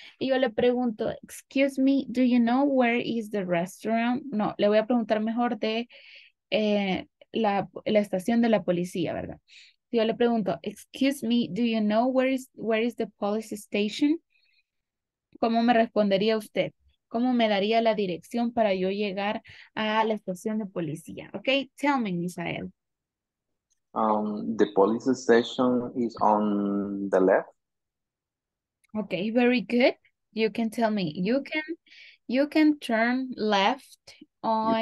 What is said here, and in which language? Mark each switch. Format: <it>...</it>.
<es>Y yo le pregunto,</es> <en>excuse me, do you know where is the restaurant?</en> <es>No, le voy a preguntar mejor de la estación de la policía, ¿verdad? Si yo le pregunto,</es> <en>excuse me, do you know where is the police station?</en> <es>¿Cómo me respondería usted? ¿Cómo me daría la dirección para yo llegar a la estación de policía?</es> <en>Ok, tell me, Misael. The police station is on the left. Ok, very good. You can tell me. You can turn left on.</en>